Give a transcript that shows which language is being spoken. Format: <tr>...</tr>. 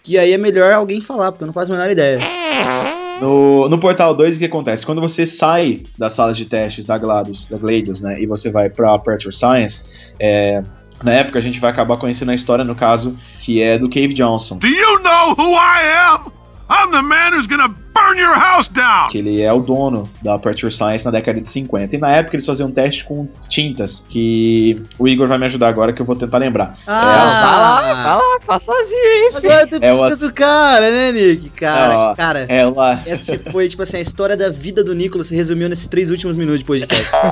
<pt>Que aí é melhor alguém falar, porque eu não faço a menor ideia. No Portal 2, o que acontece? Quando você sai da sala de testes da GLaDOS, né, e você vai pra Aperture Science, na época a gente vai acabar conhecendo a história, no caso, que é do Cave Johnson.</pt> <en>Do you know who I am? I'm the man who's gonna burn your house down!</en> <pt>Que ele é o dono da Aperture Science na década de 50. E na época eles faziam um teste com tintas, que o Igor vai me ajudar agora, que eu vou tentar lembrar. Vai lá, faz sozinho, hein, filho. Agora tu precisa do cara, né, Nick? Cara, essa foi, tipo assim, a história da vida do Nicolas se resumiu nesses três últimos minutos de podcast.</pt>